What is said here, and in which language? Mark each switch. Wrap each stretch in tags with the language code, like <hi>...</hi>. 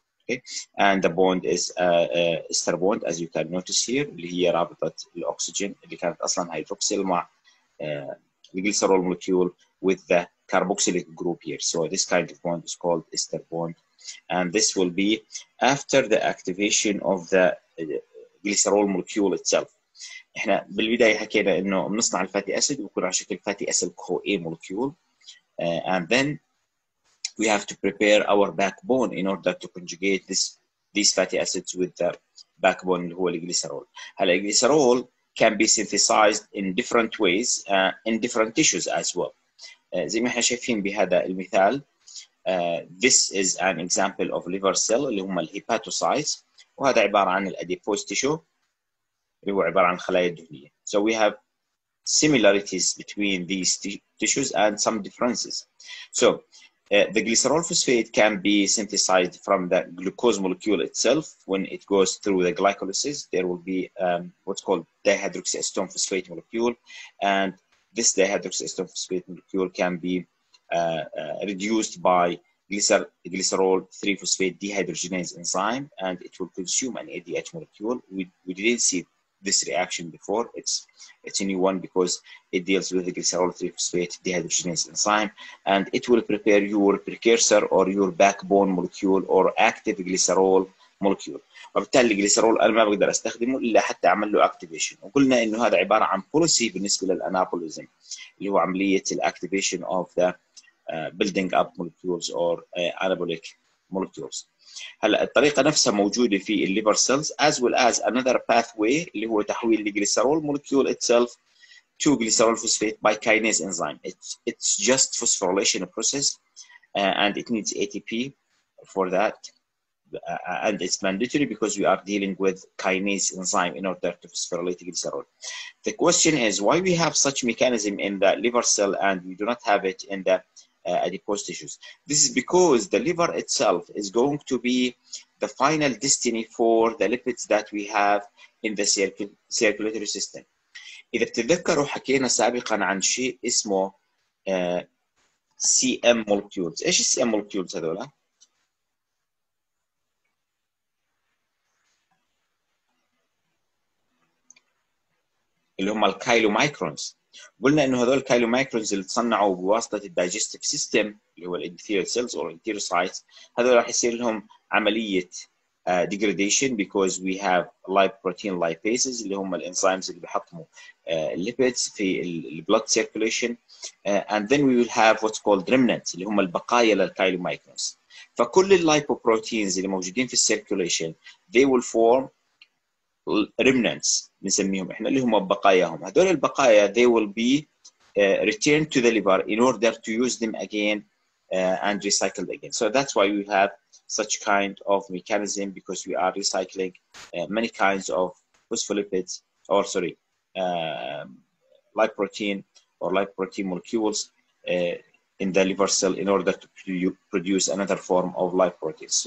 <en>Okay, and the bond is ester bond, as you can notice here.</en> <ar>اللي هي رابطة الأكسجين اللي كانت أصلاً هيدروكسيل مع الجليسرول</ar> <en>molecule with the carboxylic group here. So this kind of bond is called ester bond, and this will be after the activation of the glycerol molecule itself.</en> <ar>إحنا بالبداية حكينا إنه بنصنع الفاتي أسيد ويكون على شكل فاتي أسيد CoA molecule.</ar> <en>And then we have to prepare our backbone in order to conjugate these fatty acids with the backbone, who is glycerol. Now, glycerol can be synthesized in different ways in different tissues as well.</en> <ar>زي ما احنا شايفين بهذا المثال,</ar> <en>this is an example of liver cell,</en> <ar>اللي هم الهيباتوسايتس, وهذا عبارة عن الأديبوز تيشو, اللي هو عبارة عن خلايا الدهنية.</ar> <en>So we have similarities between these tissues and some differences. So the glycerol phosphate can be synthesized from the glucose molecule itself. When it goes through the glycolysis, there will be what's called dihydroxyacetone phosphate molecule. And this dihydroxyacetone phosphate molecule can be reduced by glycerol 3-phosphate dehydrogenase enzyme, and it will consume an ADH molecule. We didn't see this reaction before. It's a new one because it deals with the glycerol 3-phosphate dehydrogenase enzyme, and it will prepare your precursor or your backbone molecule or active glycerol molecule.</en> <ar>وبالتالي الجليسرول انا ما بقدر استخدمه الا حتى اعمل له اكتيفيشن, وقلنا انه هذا عباره عن بوليسي بالنسبه للانابوليزم اللي هو عمليه الاكتيفيشن</ar> <en>Of the building up molecules or anabolic molecules.</en> <ar>هلا الطريقه نفسها موجوده في الليفر سيلز,</ar> <en>as well as another pathway</en> <ar>اللي هو تحويل الجليسرول مولكيول</ar> <en>itself to glycerol phosphate by kinase enzyme. It's just phosphorylation process and it needs ATP for that, and it's mandatory because we are dealing with kinase enzyme in order to phosphorylate glycerol. The question is why we have such mechanism in the liver cell and we do not have it in the adipose tissues. This is because the liver itself is going to be the final destiny for the lipids that we have in the circulatory system.</en> <ar>إذا بتتذكروا حكينا سابقا عن شيء اسمه CM molecules. إيش CM molecules هذولا؟ اللي هم الكايلومايكرونز. قلنا انه هذول الكايلومايكرونز اللي تصنعوا بواسطه الدايجستيف سيستم اللي هو الانثيريال سيلز او الانثيريوسايتس, هذول راح يصير لهم عمليه ديجريديشن</ar> <en>because we have lipoprotein lipases</en> <ar>اللي هم الانزيمز اللي بيحطموا الليبيدز في البلود سيركيليشن,</ar> <en>and then we will have what's called remnants</en> <ar>اللي هم البقايا للكايلومايكرونز. فكل اللايبوبروتينز اللي موجودين في السيركيليشن</ar> <en>they will form remnants</en> <ar>نسميهم احنا اللي هم بقاياهم. هذول البقايا</ar> <en>they will be returned to the liver in order to use them again and recycled again. So that's why we have such kind of mechanism because we are recycling many kinds of phospholipids or sorry lipoprotein molecules in the liver cell in order to produce another form of lipoproteins.</en>